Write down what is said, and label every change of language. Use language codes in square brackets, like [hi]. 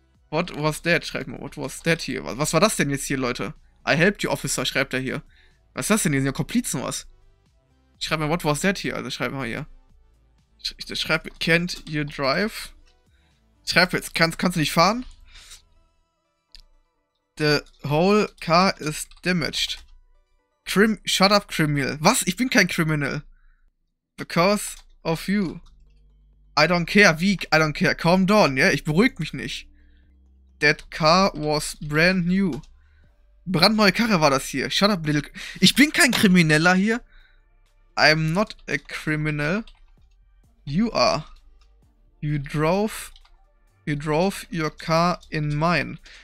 [en] What was that, [de] schreibt mal. [en] What was that hier? [de] Was war das denn jetzt hier, Leute? [en] I helped you, Officer, [de] schreibt er hier. Was ist das denn hier? Sind ja Komplizen was? Ich schreibe mal, [en] what was that [de] hier? Also schreibe mal hier. Ich schreibe, [en] can't you drive? [de] Ich schreibe jetzt, kannst du nicht fahren? [en] The whole car is damaged. Shut up, Criminal. [de] Was? Ich bin kein [en] Criminal. Because of you. I don't care, wie? I don't care. Calm down, ja? Yeah? [de] Ich beruhige mich nicht. [en] That car was brand new. [de] Brandneue Karre war das hier. [en] Shut up, little. [de] Ich bin kein Krimineller hier. [en] I'm not a criminal. You are. You drove your car in mine.